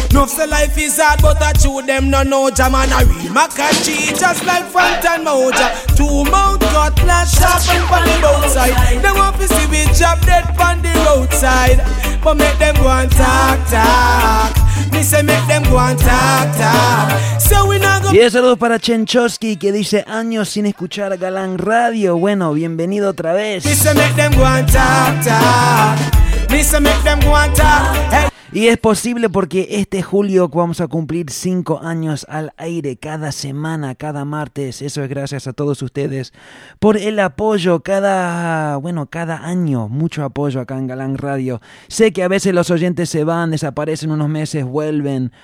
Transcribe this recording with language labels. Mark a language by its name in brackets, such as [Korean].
[English] Nuff say life is hard but I chew them no noja. Man a real Makachi just like Fountain Moja. Two mouth cutlass sharpen from the roadside. They want to see we drop dead from the roadside. But make them go and talk, talk. Me say make them go and talk, talk. So we not go. [Spanish] Y es saludos para Chenchowski que dice años sin escuchar Galán Radio. Bueno, bienvenido otra vez. [English] Me say make them go and talk, talk. Me say make them go and talk, hey. [Spanish] Y es posible porque este julio vamos a cumplir 5 años al aire cada semana, cada martes. Eso es gracias a todos ustedes por el apoyo cada año. Mucho apoyo acá en Galán Radio. Sé que a veces los oyentes se van, desaparecen unos meses, vuelven.